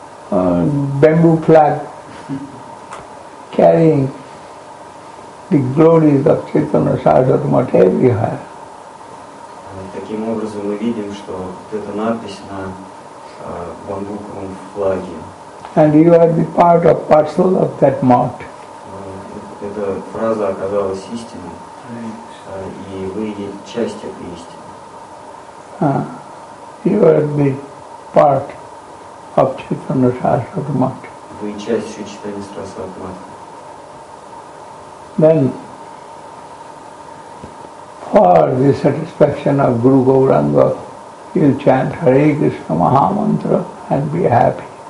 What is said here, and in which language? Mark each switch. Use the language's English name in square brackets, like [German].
[English] Bamboo flag carrying the glories of Chaitanya Sarasvati everywhere. [Russian] Таким образом мы видим, что вот эта надпись на бамбуковом флаге. [English] And you are the part of parcel of that mart. [Russian] Эта фраза оказалась истиной. И вы часть этой истины. [English] You are the part of Chaitanya Sarasvati Mata. [Russian] Вы часть Шри Чайтаньи Сарасвати Матхи. [English] Then, for the satisfaction of Guru Gauranga, you chant Hare Krishna Maha Mantra and be happy.